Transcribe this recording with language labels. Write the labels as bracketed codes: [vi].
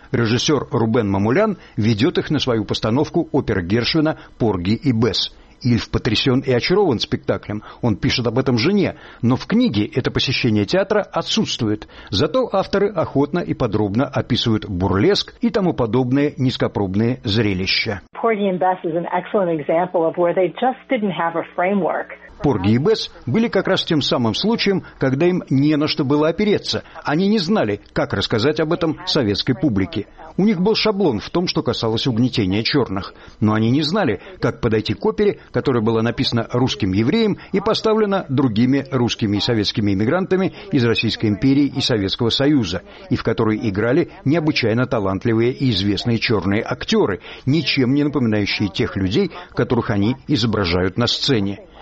[ru] режиссер Рубен Мамулян ведет их на свою постановку оперы Гершвина «Порги и Бесс». Ильф потрясен и очарован спектаклем. Он пишет об этом жене, но в книге это посещение театра отсутствует. Зато авторы охотно и подробно описывают бурлеск и тому подобные низкопробные зрелища. [en] Porgy and Bess is an excellent example of where they just didn't have a framework. [ru] Порги и Бесс были как раз тем самым случаем, когда им не на что было опереться. Они не знали, как рассказать об этом советской публике. У них был шаблон в том, что касалось угнетения черных. Но они не знали, как подойти к опере, которая была написана русским евреем и поставлена другими русскими и советскими эмигрантами из Российской империи и Советского Союза, и в которой играли необычайно талантливые и известные черные актеры, ничем не напоминающие тех людей, которых они изображают на сцене.